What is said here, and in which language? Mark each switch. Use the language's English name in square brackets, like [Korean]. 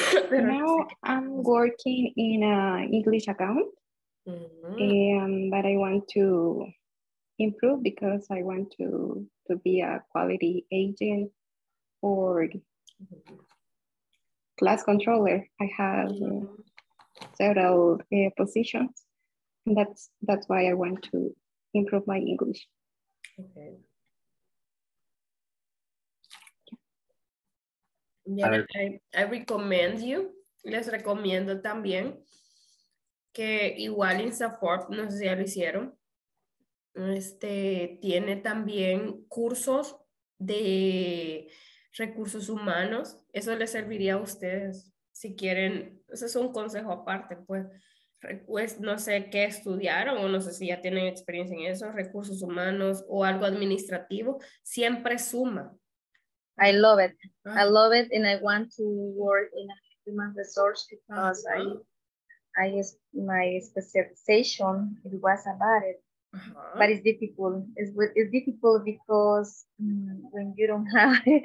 [English] Now I'm working in an English account, but I want to improve because I want to be a quality agent or class controller. I have several positions. That's why I want to improve my English. Okay. Yeah, I recommend you, [Spanish] les recomiendo también que igual en Support, no sé si ya lo hicieron, tiene también cursos de recursos humanos, eso les serviría a ustedes, si quieren, ese es un consejo aparte, pues no sé qué estudiaron o no sé si ya tienen experiencia en eso, recursos humanos o algo administrativo, siempre suma. [English] I love it. Uh-huh. I love it, and I want to work in a human resource because uh-huh. I my specialization it was about it, uh-huh. But it's difficult. It's difficult because when you don't have,